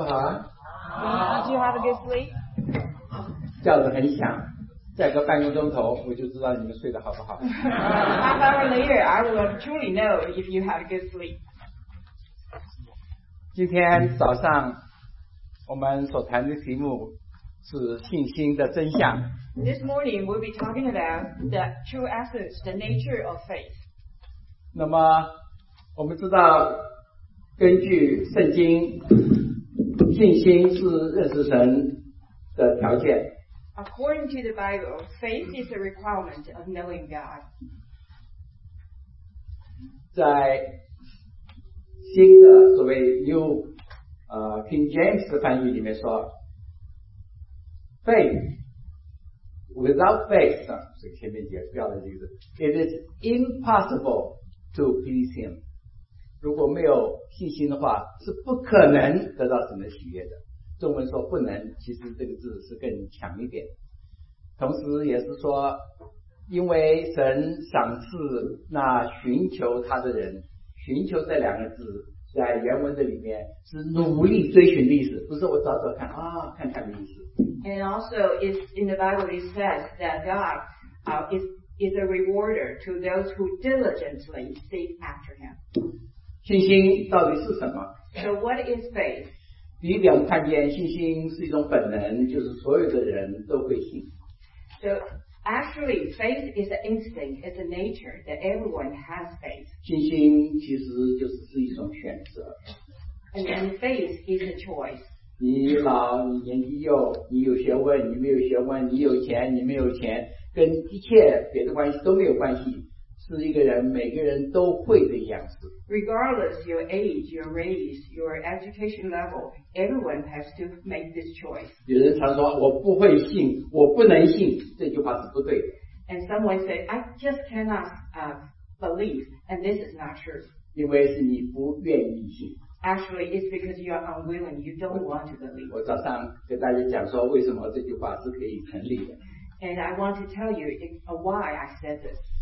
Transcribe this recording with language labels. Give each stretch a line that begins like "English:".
English: Did you have a good sleep?
Chinese: 叫得很响，再隔半个钟头我就知道你们睡得好不好。
English: Half hour later, I will truly know if you had a good sleep.
Chinese: 今天早上我们所谈的题目是信心的真相。
English: This morning we'll be talking about the true essence, the nature of faith.
Chinese: 那么我们知道根据圣经，信心是认识神的条件。
English: According to the Bible, faith is a requirement of knowing God.
Chinese: 在新的所谓 New King James 的翻译里面说，
English: faith without faith，
Chinese: 所以前面解释掉了这个字，
English: it is impossible to please him。
Chinese: 如果没有信心的话，是不可能得到神的喜悦的。中文说不能，其实这个字是更强一点，同时也是说因为神赏赐那寻求他的人。寻求这两个字在原文的里面是努力追寻的意思，不是我找找看啊，看看的意思。
English: And also it's in the Bible it says that God is a rewarder to those who diligently seek after him。
Chinese: 信心到底是什么？
English: So what is faith?
Chinese: 第一点，看见信心是一种本能，就是所有的人都会信。
English: So actually faith is an instinct, it's a nature that everyone has faith.
Chinese: 信心其实就是一种选择。
English: And then faith is a choice.
Chinese: 你老，你年纪幼，你有学问，你没有学问，你有钱，你没有钱，跟一切别的关系都没有关系，是一个人每个人都会的样子。
English: Regardless your age, your race, your education level, everyone has to make this choice.
Chinese: 有人常说我不会信，我不能信，这句话是不对的。
English: And someone say I just cannot believe, and this is not true.
Chinese: 因为是你不愿意信。
English: Actually, it's because you are unwilling, you don't want to believe.
Chinese: 我早上跟大家讲说为什么这句话是可以成立的。
English: And I want to tell you why I said this.